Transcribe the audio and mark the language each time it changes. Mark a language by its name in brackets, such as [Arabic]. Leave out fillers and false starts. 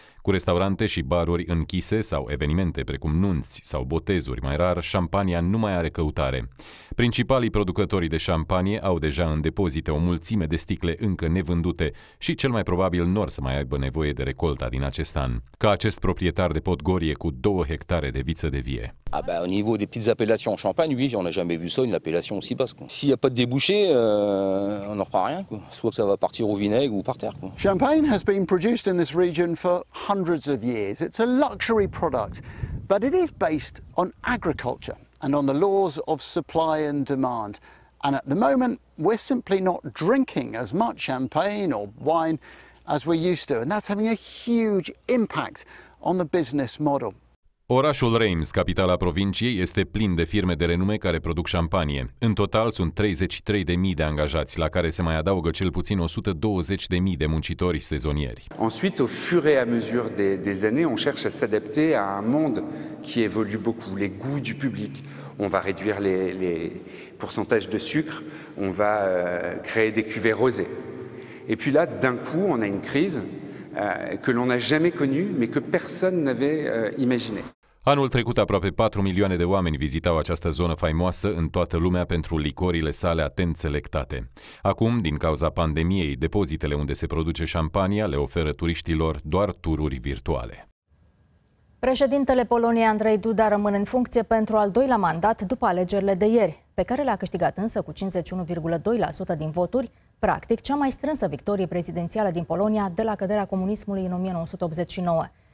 [Romanian] Cu restaurante și baruri închise sau evenimente precum nunți sau botezuri mai rar, șampania nu mai are căutare. Principalii producători de șampanie au deja în depozite o mulțime de sticle încă nevândute și cel mai probabil n-or să mai aibă nevoie de recolta din acest an. Ca acest proprietar de Podgorie cu 2 hectare de viță de vie. [French] Ah ben, au niveau des petites appellations en Champagne, oui, on n'a jamais vu ça, une appellation aussi basse. S'il n'y a pas de débouché, on n'en fera rien. Quoi. Soit ça va partir au vinaigre ou par terre. Quoi. [English] Champagne has been produced in this region for hundreds of years. It's a luxury product, but it is based on agriculture. and on the laws of supply and demand. And at the moment, we're simply not drinking as much champagne or wine as we used to, and that's having a huge impact on the business model. [Romanian] Orașul Reims, capitala provinciei, este plin de firme de renume care produc șampanie. În total sunt 33.000 de angajați, la care se mai adaugă cel puțin 120.000 de muncitori sezonieri. [French] Ensuite, au fur et à mesure des années, on cherche à s'adapter à un monde qui évolue beaucoup, les goûts du public. On va réduire les pourcentages de sucre, on va créer des cuvées rosées. Et puis là, d'un coup, on a une crise que l'on n'a jamais connue, mais que personne n'avait imaginé. [Romanian] Anul trecut, aproape 4 milioane de oameni vizitau această zonă faimoasă în toată lumea pentru licorile sale atent selectate. Acum, din cauza pandemiei, depozitele unde se produce șampania le oferă turiștilor doar tururi virtuale. Președintele Poloniei Andrzej Duda rămâne în funcție pentru al doilea mandat după alegerile de ieri, pe care le-a câștigat însă cu 51,2% din voturi, practic cea mai strânsă victorie prezidențială din Polonia de la căderea comunismului în 1989.